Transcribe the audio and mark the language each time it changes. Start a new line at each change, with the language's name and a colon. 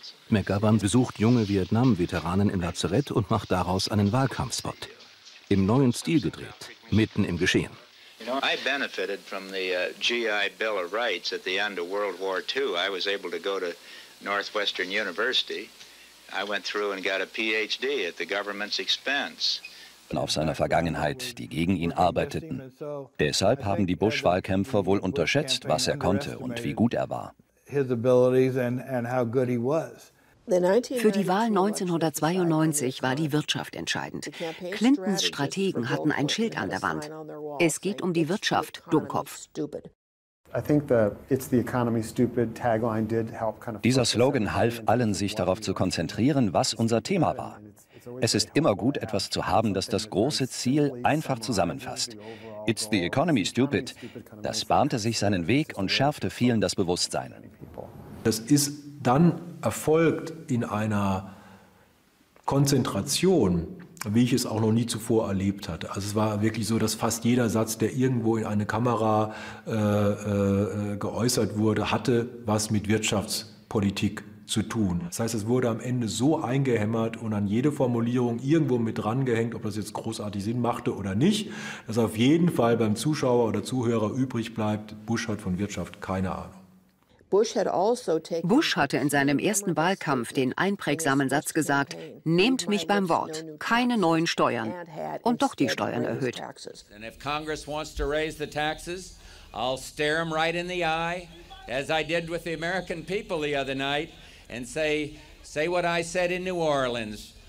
German: McGovern besucht junge Vietnam-Veteranen im Lazarett und macht daraus einen Wahlkampfspot. Im neuen Stil gedreht, mitten im Geschehen.
English: I benefited from the GI Bill of Rights at the end of World War II. I was able to go to Northwestern University. I went through and got a PhD at the government's expense.
German: Auf seiner Vergangenheit, die gegen ihn arbeiteten. Deshalb haben die Bush-Wahlkämpfer wohl unterschätzt, was er konnte und wie gut er war. Für die Wahl 1992 war die Wirtschaft entscheidend. Clintons Strategen hatten ein Schild an der Wand. Es geht um die Wirtschaft, Dummkopf.
English: I think the "It's the economy, stupid" tagline did help kind of.
German: Dieser Slogan half allen, sich darauf zu konzentrieren, was unser Thema war. Es ist immer gut, etwas zu haben, das das große Ziel einfach zusammenfasst.
English: It's the economy, stupid.
German: Das bahnte sich seinen Weg und schärfte vielen das Bewusstsein. Das ist dann erfolgt in einer Konzentration, wie ich es auch noch nie zuvor erlebt hatte. Also es war wirklich so, dass fast jeder Satz, der irgendwo in eine Kamera geäußert wurde, hatte was mit Wirtschaftspolitik zu tun. Das heißt, es wurde am Ende so eingehämmert und an jede Formulierung irgendwo mit drangehängt, ob das jetzt großartig Sinn machte oder nicht, dass auf jeden Fall beim Zuschauer oder Zuhörer übrig bleibt, Bush hat von Wirtschaft keine Ahnung. Bush hatte in seinem ersten Wahlkampf den einprägsamen Satz gesagt: Nehmt mich beim Wort, keine neuen Steuern. Und doch die Steuern erhöht.
English: And if Congress wants to raise the taxes, I'll stare them right in the eye, as I did with the American people the other night, and say what I said in New Orleans.